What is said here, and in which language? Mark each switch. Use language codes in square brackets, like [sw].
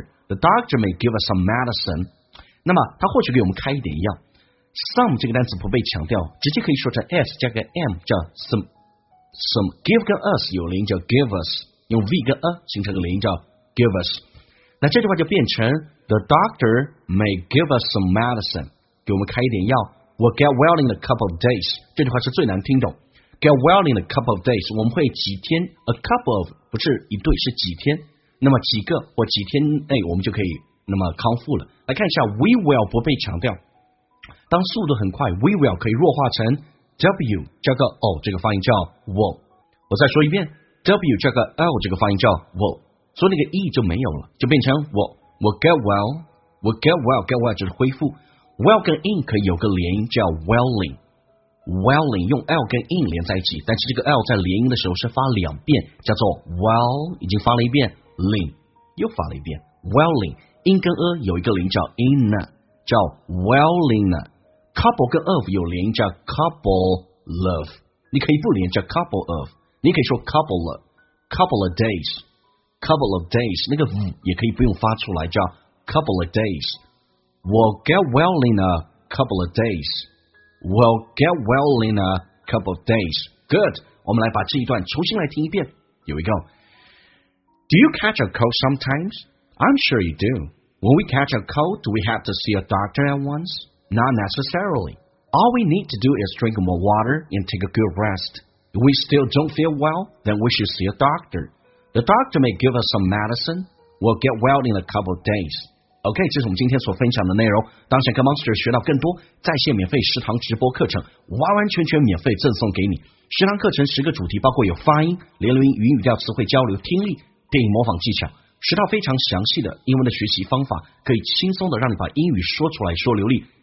[en] the doctor may give us some medicine [zh] 那么他或许给我们开一点药Some 这个单词不被强调，直接可以说成 s 加个 m 叫 some。 Some give 跟 us 有连音叫 give us， 用 v 跟 a 形成个连音叫 give us。那这句话就变成 [en] The doctor may give us some medicine， [zh] 给我们开一点药。 [en] We'll get well in a couple of days。 [zh] 这句话是最难听懂。 Get well in a couple of days， 我们会几天 a couple of 不是一对是几天，那么几个或几天内我们就可以那么康复了。来看一下 ，we will 不被强调。当速度很快 ，we will 可以弱化成 w 加个 o 这个发音叫 will。我再说一遍 ，w 加个 l 这个发音叫 will， 所以那个 e 就没有了，就变成 will。 [en] We'll get well， [zh] get well 就是恢复。 well 跟 in 可以有个连音叫 welling， welling 用 l 跟 in 连在一起，但是这个 l 在连音的时候是发两遍，叫做 well， 已经发了一遍 ling 又发了一遍 welling， in 跟 a 有一个连叫 in 叫 welling， couple 跟 of 有连音叫 couple of， 你可以不连叫 couple of， 你可以说 couple of， couple of days， couple of days， 那个 v 也可以不用发出来，叫 couple of days。 [en] We'll get well in a couple of days. We'll get well in a couple of days. Good. [zh] 我们来把这一段重新来听一遍。 [en] Here we go. Do you catch a cold sometimes? I'm sure you do. When we catch a cold, do we have to see a doctor at once? Not necessarily. All we need to do is drink more water and take a good rest. If we still don't feel well, then we should see a doctor. The doctor may give us some medicine. We'll get well in a couple of days. [zh] OK， 这是我们今天所分享的内容。当上 GoMonster 学到更多在线免费食堂直播课程，完完全全免费赠送给你。食堂课程十个主题，包括有发音、连轮音、语音语调、词汇交流、听力、电影模仿技巧，学到非常详细的英文的学习方法，可以轻松的让你把英语说出来说流利。